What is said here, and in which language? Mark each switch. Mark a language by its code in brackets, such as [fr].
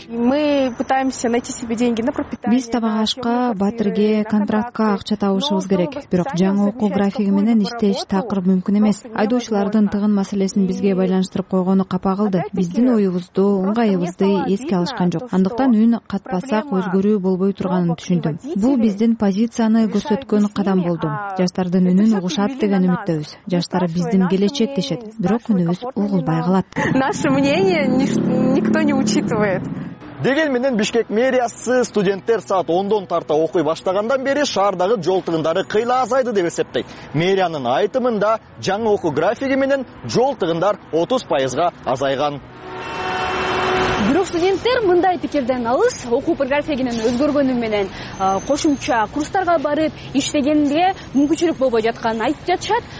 [ru] Мы пытаемся найти себе деньги на пропитание. [ky] Биз табагашка, батирге, контрактка акча табышыбыз керек. Бирок жаңы окуу графиги менен иштеш такыр мүмкүн эмес. Айдоочулардын тыгын маселесин бизге байланыштырып койгону капа кылды. Биздин оюбузду ыңгайыбызды эске алышкан жок. Андыктан үн катпасак өзгөрүү болбой турганын түшүндүм. Бул биздин позицияны көрсөткөн кадам болду. Жаштардын үнүн угушат деген үмүттөбүз. Жаштар биздин келечек дешет, бирок үнүбүз угулбай калат. [ru] Наше мнение никто не учитывает. [ky] Деген менен Бишкек мэриясы студенттер саат 10:00 тарта окуй баштагандан бери шаардагы жол тыгындары кыйла азайды деп эсептейт. Мэриянын айтымында жаңы окуу графиги менен жол тыгындар 30% азайган. Бирок студенттер мындай пикирден алыс, окуу графигинин өзгөргөнү менен кошумча курстарга барып иштегенге мүмкүнчүлүк болбой жатканын айтып жатышат.